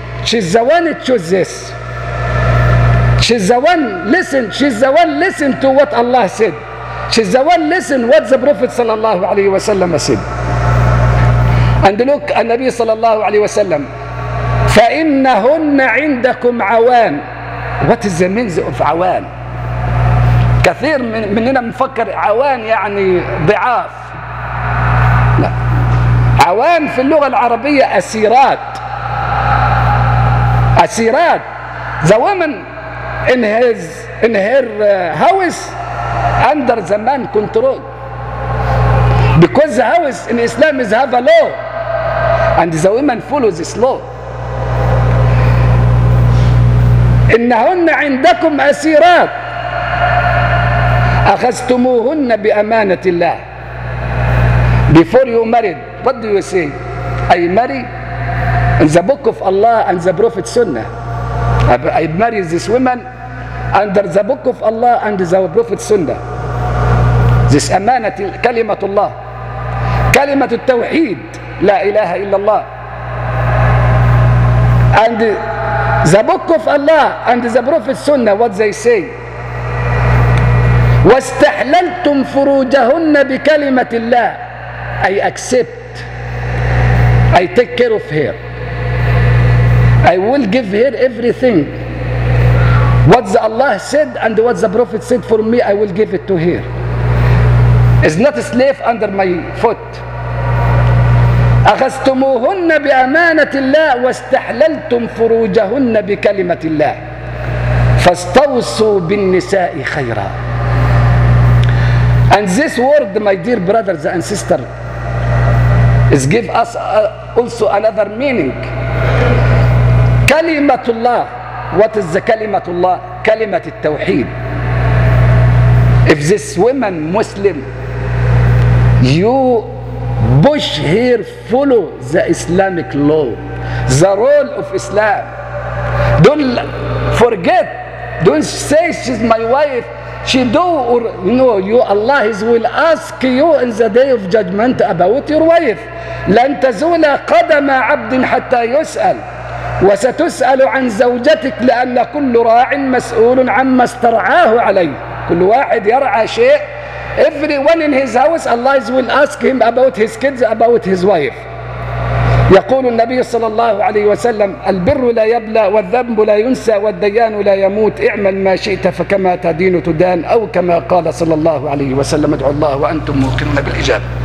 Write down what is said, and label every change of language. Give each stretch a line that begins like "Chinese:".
English: She's the one that chose this. She's the one listen to what Allah said. She's the one listen what the Prophet صلى الله عليه وسلم said. And look at Nabi صلى الله عليه وسلم.
Arabic: فَإِنَّهُنَّ عِنْدَكُمْ عَوَان.
English: What is the means of عَوَان?
Arabic: كثير مننا مفكر عَوَان يعني ضعاف. عوان في اللغة العربية أسيرات. أسيرات.
English: The woman in her house under the man control. Because the house in Islam is have a law. And the woman follow this law.
Arabic: إنهن عندكم أسيرات. أخذتموهن بأمانة الله.
English: Before you married, what do you say? I marry in the book of Allah and the Prophet Sunnah. I marry this woman under the book of Allah and the Prophet Sunnah. This amanat,
Arabic: kalimatullah, kalimatul tawheed, la ilaha illallah.
English: And the book of Allah and the Prophet Sunnah, what they say?
Arabic: واستحللتم فروجهن بكلمة الله.
English: I accept, I take care of her. I will give her everything. What Allah said and what the Prophet said for me, I will give it to her. Is not a slave under my foot.
Arabic: أخذتموهن بأمانة الله واستحللتم فروجهن بكلمة الله فاستوصوا بالنساء خيرا.
English: And this word, my dear brothers and sisters, give us also another meaning.
Arabic: كلمة الله.
English: What is the
Arabic: كلمة الله? كلمة التوحيد.
English: If this woman Muslim, you push her follow the Islamic law, the role of Islam. Don't forget, don't say she's my wife, she do or no, you Allah is will ask you in the day of judgment about your wife.
Arabic: لن تزول قدم عبد حتى يسأل وستسأل عن زوجتك لأن كل راع مسؤول عما استرعاه عليه. كل واحد يرعى شيء.
English: Everyone in his house, Allah will ask him about his kids, about his wife.
Arabic: يقول النبي صلى الله عليه وسلم البر لا يبلى والذنب لا ينسى والديان لا يموت. اعمل ما شئت فكما تدين تدان. أو كما قال صلى الله عليه وسلم ادعوا الله وأنتم موقنون بالإجابة.